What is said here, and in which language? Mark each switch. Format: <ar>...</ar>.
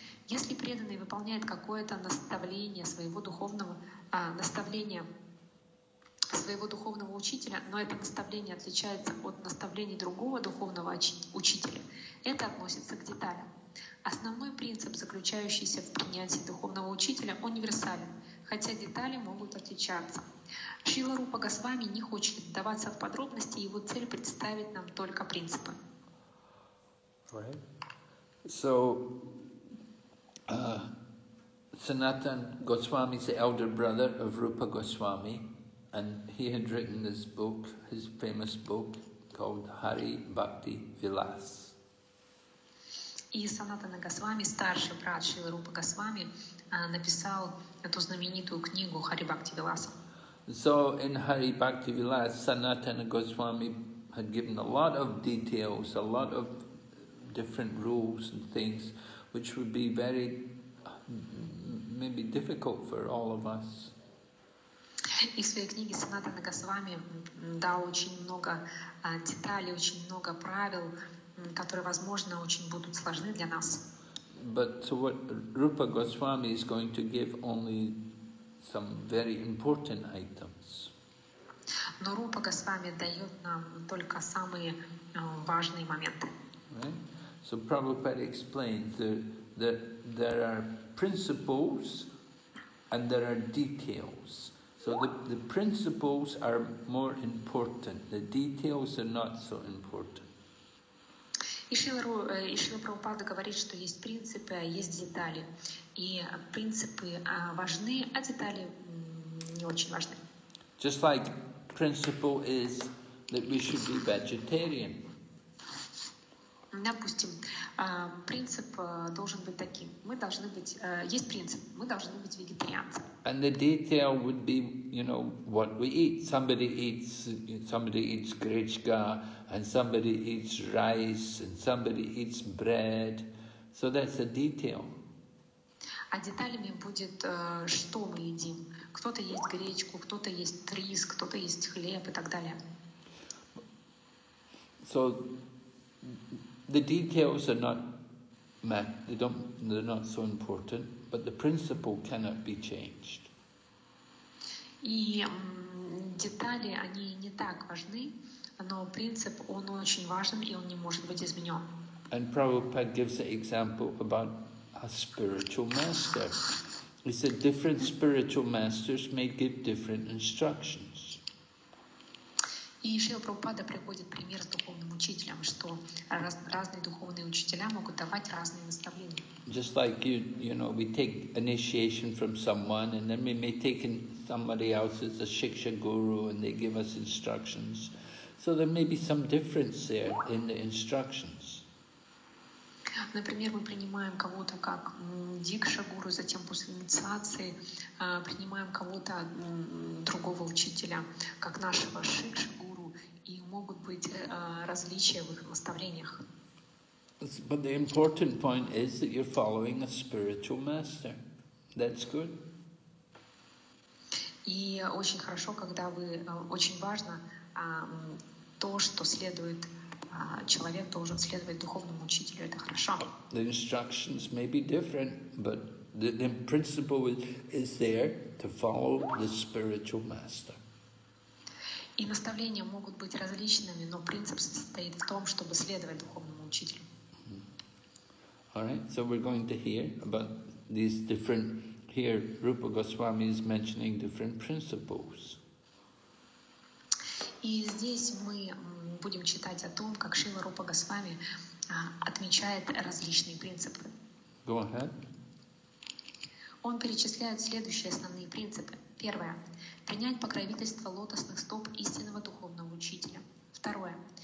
<ru>Если преданный выполняет какое-то наставление своего духовного учителя, но это наставление отличается от наставлений другого духовного учителя, это относится к деталям. Основной принцип, заключающийся в принятии духовного учителя, универсален, хотя детали могут отличаться. Шрила Рупа Госвами не хочет вдаваться в подробности, его цель — представить нам только принципы.</ru> <en>Right. So, Sanatan Goswami is the elder brother of Rupa Goswami, and he had written this book, his famous book, called Hari Bhakti Vilas.</en> <ru>И Санатана Госвами, старший брат Шрилы Рупы Госвами, написал эту знаменитую книгу Хари Бхакти Виласа.</ru> <en>So in Hari Bhakti Vilas, Sanatana Goswami had given a lot of details, a lot of different rules and things, which would be very maybe difficult for all of us.</en> <ru>И в своей книге Санатана Госвами дал очень много деталей, очень много правил, которые, возможно, очень будут сложны для нас.</ru> <en>But so what Rupa Goswami is going to give only some very important items.</en> <ru>Но Рупа Госвами дает нам только самые важные моменты.</ru> <en>Right? So Prabhupada explains that there are principles and there are details. So the principles are more important. The details are not so important.</en> <ru>И Шрила Прабхупада говорит, что есть принципы, а есть детали. И принципы важны, а детали не очень важны.</ru> <en>Just like principle is that we should be vegetarian.</en> <ru>Допустим, принцип должен быть таким. Мы должны быть, есть принцип, мы должны быть вегетарианцами.</ru> <en>And the detail would be, you know, what we eat. Somebody eats grechka, and somebody eats rice, and somebody eats bread. So that's a detail.</en> <ru>А деталями будет, что мы едим. Кто-то ест гречку, кто-то ест рис, кто-то ест хлеб и так далее.</ru> <en>So the details are not they're not so important, but the principle cannot be changed.</en> <ru>И детали они не так важны, но принцип он очень важен и он не может быть изменен.</ru> <en>And Prabhupada gives an example about a spiritual master. He said different spiritual masters may give different instructions.</en> <ru>И Шрила Прабхупада приводит пример с духовным учителем, что разные духовные учителя могут давать разные наставления.</ru> <en>Just like you know, we take initiation from someone, and then we may take in somebody else as a shiksha guru, and they give us instructions. So there may be some difference there in the instructions.</en> <ru>Например, мы принимаем кого-то как дикша гуру, затем после инициации принимаем кого-то другого учителя как нашего шикша. И могут быть различия в их наставлениях.</ru> <en>But the important point is that you're following a spiritual master. That's good.</en> <ru>И очень хорошо, когда вы очень важно то, что следует человек должен следовать духовному учителю, это хорошо.</ru> <en>The instructions may be different, but the principle is there to follow the spiritual master.</en> <ru>И наставления могут быть различными, но принцип состоит в том, чтобы следовать духовному учителю.</ru> <en>All right, so we're going to hear about these different, here Rupa Goswami is mentioning different principles.</en> <ru>И здесь мы будем читать о том, как Шрила Рупа Госвами отмечает различные принципы.</ru> <en>Go ahead.</en> <ru>Он перечисляет следующие основные принципы. Первое. Принять покровительство лотосных стоп истинного духовного учителя. Второе.</ru>